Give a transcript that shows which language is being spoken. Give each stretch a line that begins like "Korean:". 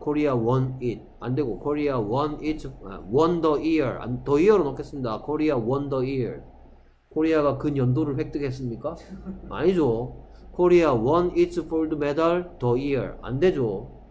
English: Korea won it
Korean: 안되고
English: Korea won it won the year the year은
Korean: 없겠습니다.
English: Korea won the year.
Korean: 코리아가 그 연도를 획득했습니까? 아니죠.
English: Korea won its gold medal the year
Korean: 안되죠.